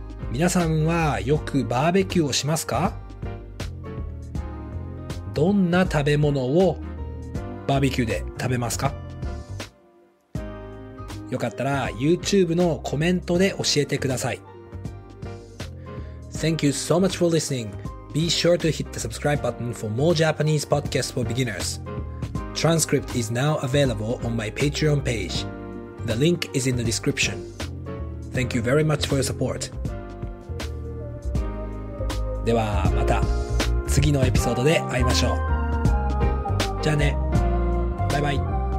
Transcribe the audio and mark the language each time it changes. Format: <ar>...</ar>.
<ja>皆さんはよくバーベキューをしますか？どんな食べ物をバーベキューで食べますか？よかったら YouTube のコメントで教えてください。</ja> <en>Thank you so much for listening. Be sure to hit the subscribe button for more Japanese podcasts for beginners. Transcript is now available on my Patreon page. The link is in the description. Thank you very much for your support.</en> <ja>ではまた次のエピソードで会いましょう。じゃあね。バイバイ。</ja>